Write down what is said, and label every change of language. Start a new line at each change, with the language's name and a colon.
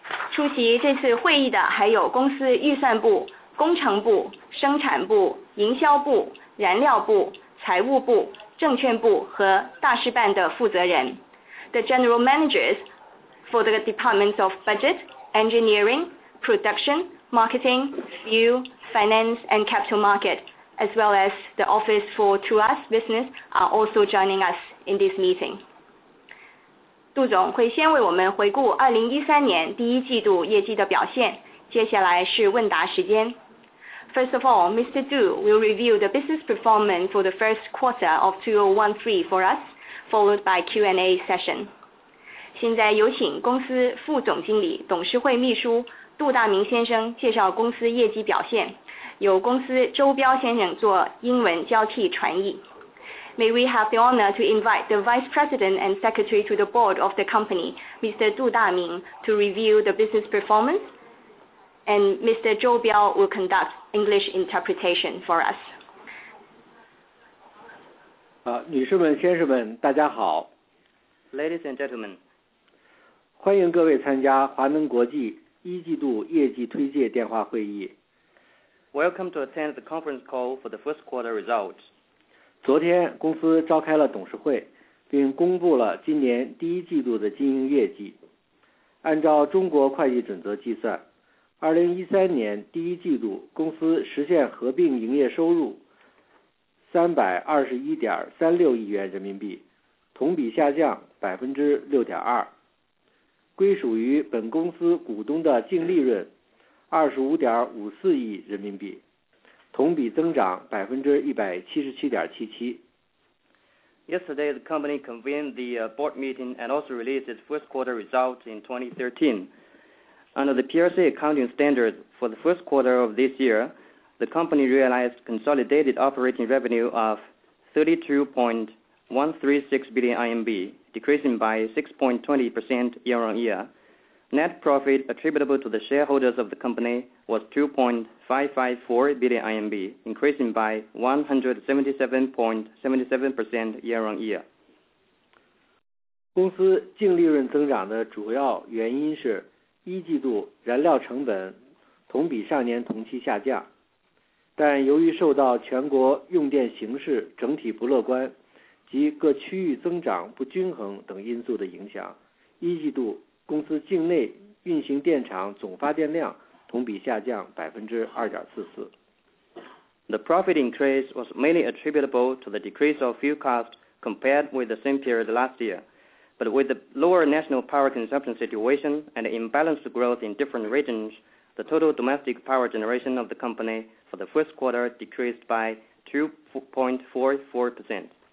Chinese: 出席这次会议的还有公司预算部、工程部、生产部、营销部、燃料部、财务部、证券部和大事办的负责人。
English: The general managers for the departments of budget, engineering, production, marketing, view, finance and capital market, as well as the office for Tuas business are also joining us in this meeting.
Chinese: 杜总会先为我们回顾2013年第一季度业绩的表现，接下来是问答时间。
English: First of all, Mr. Du will review the business performance for the first quarter of 2013 for us, followed by Q&A session.
Chinese: 现在有请公司副总经理、董事会秘书杜大明先生介绍公司业绩表现，由公司周彪先生做英文交替传译。
English: May we have the honor to invite the Vice President and Secretary to the Board of the company, Mr. 杜大明, to review the business performance. And Mr. Zhou Biao will conduct English interpretation for us.
Chinese: 女士们、先生们，大家好。
English: Ladies and gentlemen,
Chinese: 欢迎各位参加华能国际一季度业绩推介电话会议。
English: Welcome to attend the conference call for the first quarter results.
Chinese: 昨天公司召开了董事会，并公布了今年第一季度的经营业绩。按照中国会计准则计算。2013年第一季度公司实现合并营业收入 321.36 亿元人民币，同比下降 6.2%， 归属于本公司股东的净利润 25.54 亿人民币，同比增长 177.77%。
English: Yesterday the company convened the board meeting and also released its first quarter results in 2013. Under the PRC accounting standard for the first quarter of this year, the company realized consolidated operating revenue of 32.136 billion RMB, decreasing by 6.20% year-on-year. Net profit attributable to the shareholders of the company was 2.554 billion RMB, increasing by 177.77% year-on-year.
Chinese: 公司净利润增长的主要原因是一季度燃料成本同比上年同期下降，但由于受到全国用电形势整体不乐观及各区域增长不均衡等因素的影响，一季度公司境内运行电厂总发电量同比下降 2.44%。
English: The profit increase was mainly attributable to the decrease of fuel cost compared with the same period last year. But with the lower national power consumption situation and imbalanced growth in different regions, the total domestic power generation of the company for the first quarter decreased by 2.44%.